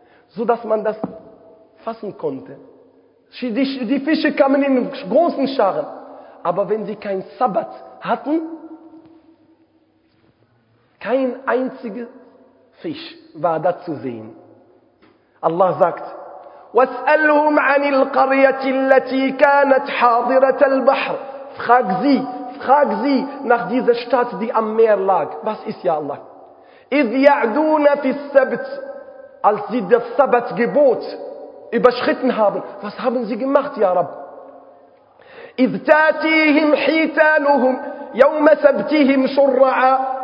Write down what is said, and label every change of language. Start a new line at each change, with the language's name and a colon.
German: So dass man das fassen konnte. Die Fische kamen in großen Scharen. Aber wenn sie keinen Sabbat hatten, kein einziger Fisch war da zu sehen. Allah sagt,
Arabic: وَاسْأَلْهُمْ عَنِ الْقَرْيَةِ الَّتِي كَانَتْ حَاضِرَةَ الْبَحْرِ
German: Frag sie nach dieser Stadt, die am Meer lag. Was ist ja Allah?
Arabic: إِذْ يَعْدُونَ فِي السَّبْتِ
German: Als sie das Sabbatgebot überschritten haben, was haben sie gemacht, ja Rab?
Arabic: إِذْ تَاتِيهِمْ حِيتَانُهُمْ يَوْمَ سَبْتِهِمْ شُرَّعَا